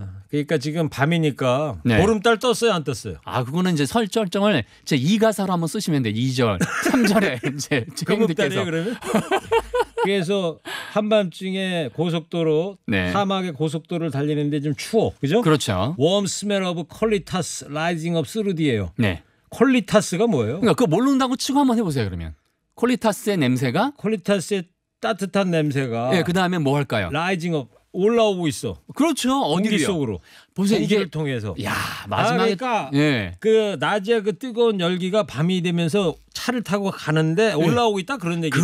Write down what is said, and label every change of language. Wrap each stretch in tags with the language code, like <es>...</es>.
<ko>그러니까 지금 밤이니까 네. 보름달 떴어요 안 떴어요? 아 그거는 이제 설 절정을 제 2가사로 한번 쓰시면 돼. 2절 3절에 이제 금급달이에요 그러면? 그래서 한밤중에 고속도로 네. 사막의 고속도로를 달리는데 좀 추워 그죠? 그렇죠.</ko> <en>Warm smell of colitas rising up through the air.</en> <ko>네. 콜리타스가 뭐예요? 그러니까 그거 모른다고 치고 한번 해보세요 그러면. 콜리타스의 냄새가 콜리타스의 따뜻한 냄새가 네, 그 다음에 뭐 할까요? 라이징 업 올라오고 있어. 그렇죠. 어디 속으로. 보세요. 공기를 이게... 통해서. 야, 마지막에 그러니까 네. 그 낮에 그 뜨거운 열기가 밤이 되면서 차를 타고 가는데 올라오고 네. 있다 그런 얘기.</ko>